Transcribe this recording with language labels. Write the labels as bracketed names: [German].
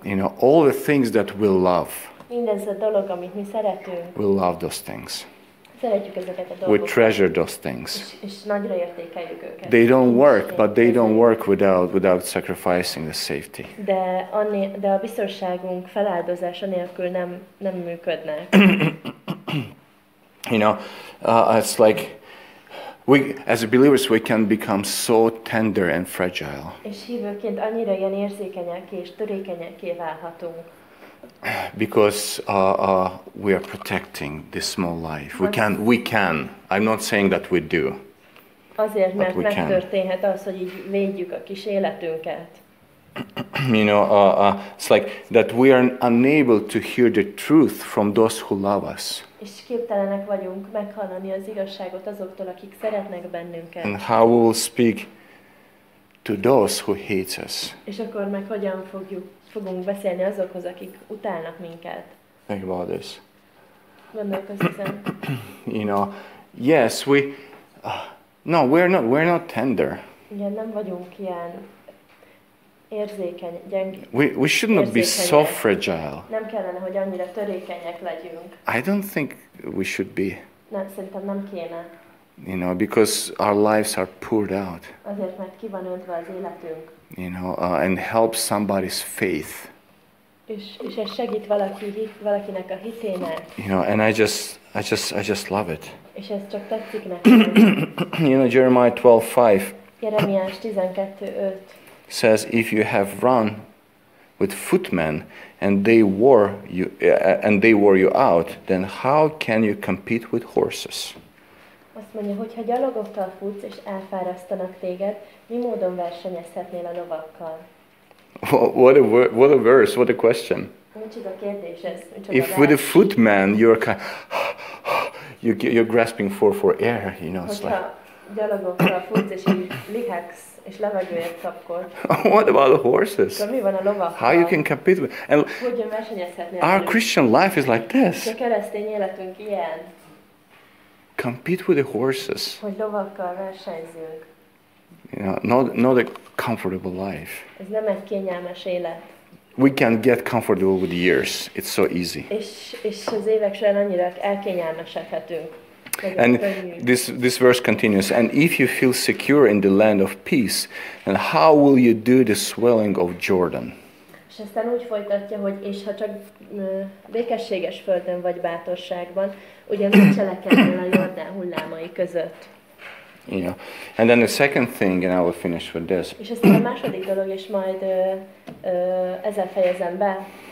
[English] You know, all the things that we love. [Hungarian] Mindez a dolog, amit mi szeretünk. [English] We love those things. [Hungarian] Szeretjük ezeket a dolgokat. [English] We treasure those things. [Hungarian] És nagyra értékeljük őket. [English] They don't work, but they don't work without sacrificing the safety. [Hungarian] De a biztonságunk feláldozása nélkül nem működne. [English] You know, it's like we as believers we can become so tender and fragile. [Hungarian] És hívőként annyira ilyen érzékenyek és törékenyekké válhatunk. [English] Because we are protecting this small life. We can. I'm not saying that we do. [Hungarian] Azért, mert megtörténhet az, hogy így védjük a kis életünket. [English] You know, it's like that we are unable to hear the truth from those who love us. [Hungarian] És képtelenek vagyunk meghallani az igazságot azoktól, akik szeretnek bennünket. [English] And how we will speak to those who hate us. [Hungarian] És akkor meg hogyan fogunk beszélni azokhoz, akik utálnak minket. [English] Think about this. [Hungarian] Gondolkozzon. [English] You know, yes, we're not tender. [Hungarian] Igen, nem vagyunk ilyen érzékeny, gyenge. [English] We should not be so fragile. [Hungarian] Nem kellene, hogy annyira törékenyek legyünk. [English] I don't think we should be. [Hungarian] Nem, szerintem nem kéne. [English] You know, because our lives are poured out. [Hungarian] Azért, mert ki van öntve az életünk. [English] You know, and help somebody's faith. [Hungarian] És ez segít valakinek a hitének. [English] You know, and I just love it. [Hungarian] És ez csak tetszik nekem. [English] You know, Jeremiah 12:5. [Hungarian] Jeremiás 12:5. [English] Says, if you have run with footmen and they wore you out, then how can you compete with horses? [Hungarian] Azt mondja, hogyha gyalogokkal futsz és elfárasztanak téged, mi módon versenyezhetnél a lovakkal? [English] What a verse, what a question. [Hungarian] Micsoda kérdés ez? [English] If with a footman you're kind of, you're grasping for air, you know, it's [Hungarian] hogyha [English] like. [Hungarian] Gyalogokkal futsz és lihegsz és levegőért kapkod. [English] What about the horses? [Hungarian] Mi van a lovakkal? [English] How you can compete with? [Hungarian] And hogyan versenyezhetnél? [English] Our Christian life is like this. [Hungarian] A keresztény életünk ilyen. [English] compete with the horses. [Hungarian] Hogy lovakkal versenyzünk. [English] You know, not a comfortable life. [Hungarian] Ez nem egy kényelmes élet. [English] We can get comfortable with the years. It's so easy. [Hungarian] És az évek során annyira elkényelmesedhetünk. [English] And this verse continues, and if you feel secure in the land of peace, then how will you do the swelling of Jordan? [Hungarian] És aztán úgy folytatja, hogy és ha csak békességes földön vagy bátorságban, ugyan nem cselekedjél a Jordán hullámai között. Yeah. [English] And then the second thing, and I will finish with this. [Hungarian] És aztán a második dolog, és majd ezzel fejezem be.